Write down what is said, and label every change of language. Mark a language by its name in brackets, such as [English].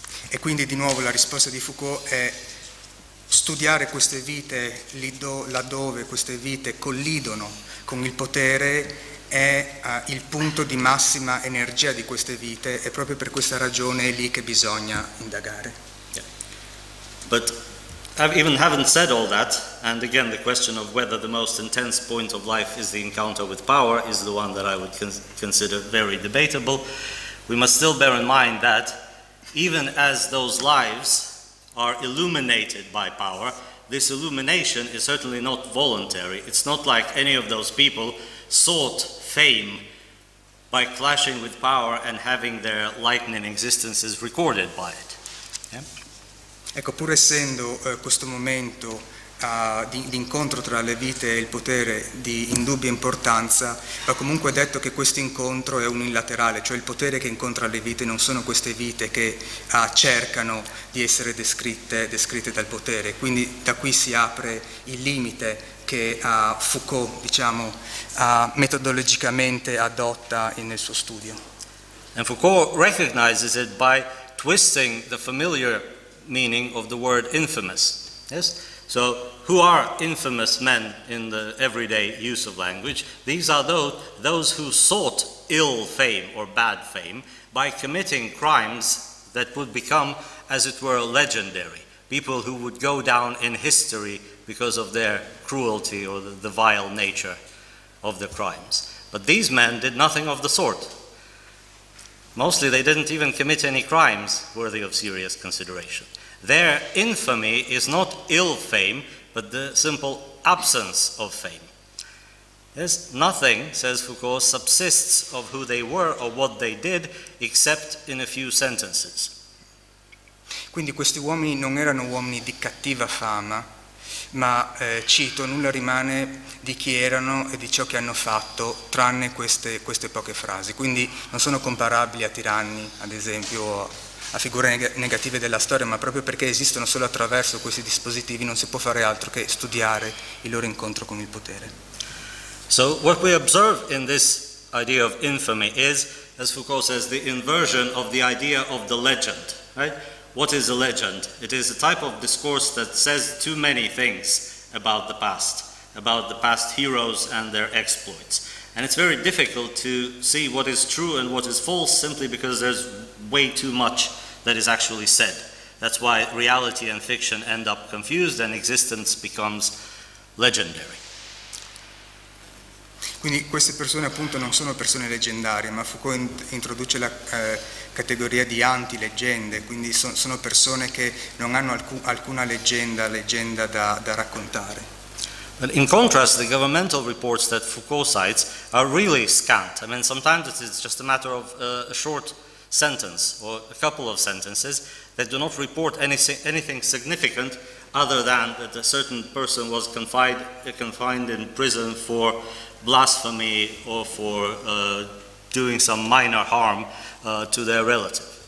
[Italian] E quindi di nuovo la risposta di Foucault è: studiare queste vite laddove queste vite collidono con il potere è il punto di massima energia di queste vite, è proprio per questa ragione lì che bisogna indagare. [English] Yeah. But I haven't said all that, and again the question of whether the most intense point of life is the encounter with power is the one that I would consider very debatable. We must still bear in mind that even as those lives are illuminated by power, this illumination is certainly not voluntary. It's not like any of those people sought fame by clashing with power and having their lightning existences recorded by it. [Italian] Ecco, pur essendo questo momento di incontro tra le vite e il potere di indubbia importanza, va comunque detto che questo incontro è unilaterale, cioè il potere che incontra le vite non sono queste vite che cercano di essere descritte dal potere. Quindi da qui si apre il limite che Foucault, diciamo, metodologicamente adotta nel suo studio. [English] And Foucault recognizes it by twisting the familiar meaning of the word infamous. Yes? So who are infamous men in the everyday use of language? These are those who sought ill fame or bad fame by committing crimes that would become, as it were, legendary. People who would go down in history because of their cruelty or the vile nature of the crimes. But these men did nothing of the sort. Mostly they didn't even commit any crimes worthy of serious consideration. Their infamy is not ill fame, but the simple absence of fame. There's nothing, says Foucault, subsists of who they were or what they did, except in a few sentences. [Italian] Quindi questi uomini non erano uomini di cattiva fama, ma cito, nulla rimane di chi erano e di ciò che hanno fatto, tranne queste poche frasi. Quindi non sono comparabili a tiranni, ad esempio, a figure negative della storia, ma proprio perché esistono solo attraverso questi dispositivi non si può fare altro che studiare il loro incontro con il potere. [English] So what we observe in this idea of infamy is, as Foucault says, the inversion of the idea of the legend, right? What is a legend? It is a type of discourse that says too many things about the past heroes and their exploits. And it's very difficult to see what is true and what is false simply because there's way too much that is actually said. That's why reality and fiction end up confused and existence becomes legendary. [Italian] Quindi queste persone appunto non sono persone leggendarie, ma Foucault introduce la categoria di anti-leggende, quindi sono persone che non hanno alcuna leggenda da raccontare. [English] But in contrast, the governmental reports that Foucault cites are really scant. I mean, sometimes it's just a matter of a short sentence or a couple of sentences that do not report anything significant other than that a certain person was confined in prison for blasphemy or for doing some minor harm to their relative.